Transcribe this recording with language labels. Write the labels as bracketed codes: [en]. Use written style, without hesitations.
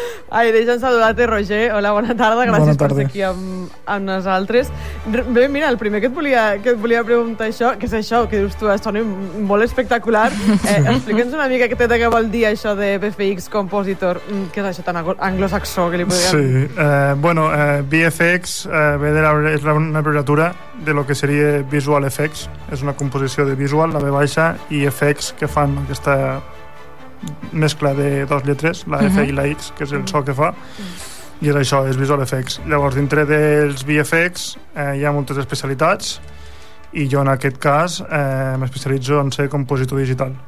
[ca] Ai, deixa'm saludar-te, Roger. Hola, bona tarda. Gràcies bona tarda. Per ser aquí amb nosaltres. Bé, mira, el primer que et volia preguntar això, que és això, que dius tu, sona molt espectacular. Explica'ns una mica què vol dir això de VFX Compositor, que és això tan anglosaxó que li podria... [es] Sí, bueno, VFX ve de una abreviatura de lo que seria Visual Effects. [ca] És una composició de visual, la V baixa, i effects, que fan aquesta mescla de dos lletres, la F i la X, que és el so que fa, i és això, és visual effects. Llavors, dintre dels VFX hi ha moltes especialitats, i jo en aquest cas m'especialitzo en ser compositor digital.